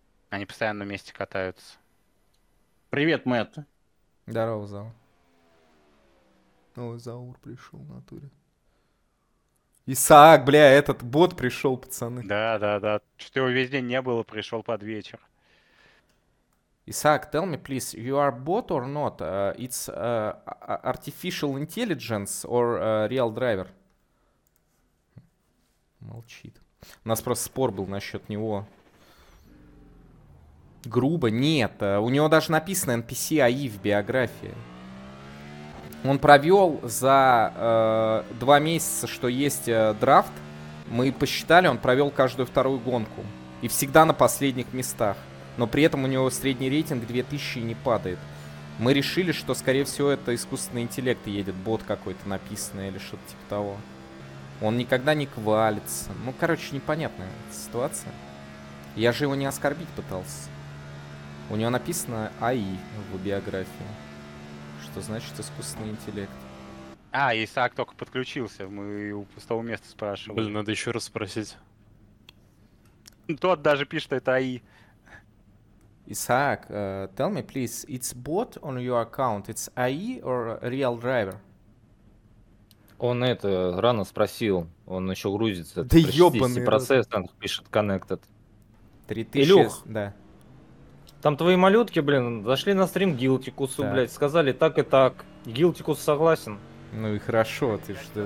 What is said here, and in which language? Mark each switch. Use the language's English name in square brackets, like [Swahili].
[Russian] Они постоянно вместе катаются. Привет, Мэтт. Здорово, Зал. Ой, Заур пришел в натуре. Исаак, бля, этот бот пришел, пацаны. Да. Что-то его весь день не было, пришел под вечер. [English] Исаак, tell me, please, you are bot or not? It's artificial intelligence or real driver? [Russian] Молчит. У нас просто спор был насчет него. Грубо? Нет. У него даже написано NPC AI в биографии. Он провел за 2 месяца, что есть драфт. Мы посчитали, он провел каждую вторую гонку. И всегда на последних местах. Но при этом у него средний рейтинг 2000 и не падает. Мы решили, что, скорее всего, это искусственный интеллект едет. Бот какой-то написанный или что-то типа того. Он никогда не квалится. Ну, короче, непонятная ситуация. Я же его не оскорбить пытался. У него написано AI в биографии. Что значит искусственный интеллект. А, Исаак только подключился. Мы у пустого места спрашивали. Блин, надо еще раз спросить. Тот даже пишет, это AI. [English] Исаак, tell me, please, it's bot on your account, it's AI or real driver? [Russian] Он это рано спросил, он еще грузится. Да ёбаный. Процесс, он пишет connected. 3000, Илюх, да. Там твои малютки, блин, зашли на стрим Гилтикусу, да. Блядь, сказали так и так. Гилтикус согласен. Ну и хорошо, ты что-то...